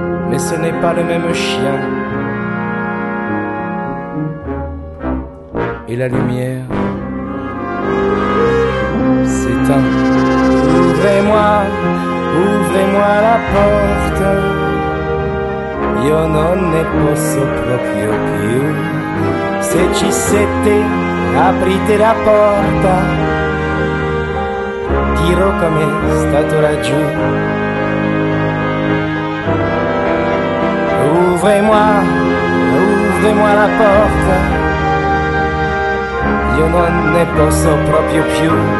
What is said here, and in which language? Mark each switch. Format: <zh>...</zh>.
<fr>Mais ce n'est pas le même chien. Et la lumière s'éteint. Ouvrez-moi, ouvrez-moi la porte.</fr> <it>Io non ne posso proprio più. Se ci siete, aprite la porta. Dirò com'è stato laggiù.</it> <fr>Ouvrez-moi, ouvrez-moi la porte.</fr> <it>Io non ne posso proprio più.</it>